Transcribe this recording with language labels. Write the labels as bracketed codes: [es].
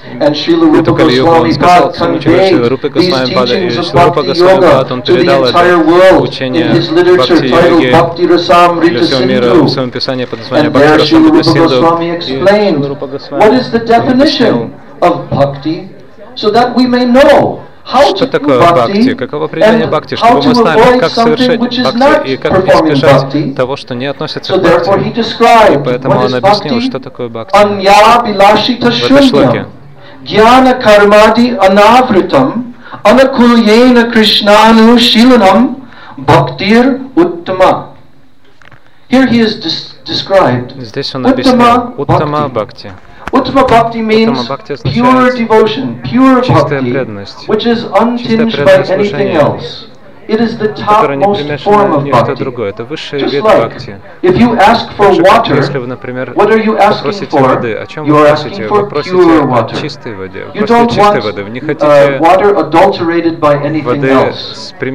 [en] And Srila Rupa Goswami Pada conveyed these teachings of Bhakti Yoga to the entire world in his literature titled Bhakti Rasamrita Sindhu. And there Srila Rupa Goswami explained what is the definition of bhakti, so that we may know [ru] что такое бхакти, каково определение бхакти, чтобы мы знали, как совершать бхакти и как избежать того, что не относится к бхакти. И поэтому он объяснил, что такое бхакти. В этой шлоке. Здесь он объяснил уттама бхакти. [en] What does bhakti mean? Pure devotion, pure bhakti, which is untinged by anything else. It is the topmost form of bhakti. Just like, if you ask for water, what are you asking for? You are asking for pure water. You don't want water adulterated by anything else.